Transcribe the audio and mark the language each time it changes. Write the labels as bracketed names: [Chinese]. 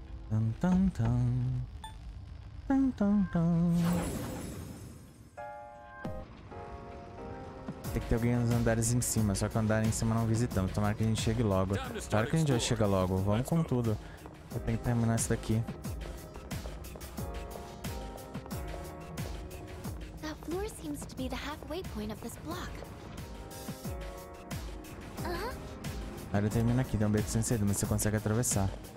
[Portuguese] Tum, tum, tum. Tum, tum, tum. Tem que ter alguém nos andares em cima, só que andar em cima não visitamos. Tomara que a gente chegue logo. Claro que a gente já chega logo. Vamos com tudo. Eu tenho que terminar isso daqui. [English] That floor seems to be the halfway point of this block. [Portuguese] Aí ele termina aqui, deu um beco sem cedo, mas você consegue atravessar.